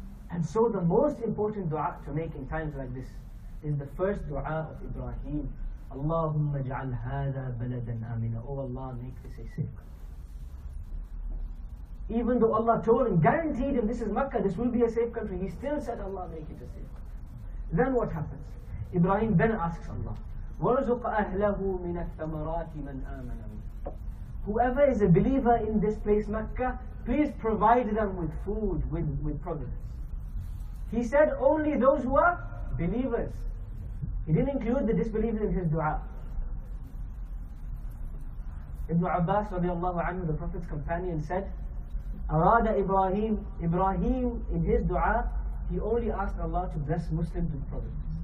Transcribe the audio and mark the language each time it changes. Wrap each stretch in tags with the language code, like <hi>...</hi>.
<en>And so the most important dua to make in times like this is the first dua of Ibrahim.</en> <ar>Allahumma ja'al hadha baladan amina.</ar> <en>Oh Allah, make this a safe country. Even though Allah told him, guaranteed him, this is Makkah, this will be a safe country, he still said, Allah, make it a safe country. Then what happens? Ibrahim then asks Allah,</en> <ar>وَرْزُقْ أَهْلَهُ مِنَ الثَّمَرَاتِ مَنْ آمَنَ مِنْ</ar> <en>Whoever is a believer in this place, Mecca, please provide them with food, with provisions. He said only those who are believers. He didn't include the disbelievers in his dua. Ibn Abbas radiallahu anhu, the Prophet's companion, said, Arada Ibrahim, Ibrahim in his dua, he only asked Allah to bless Muslims with providence.</en>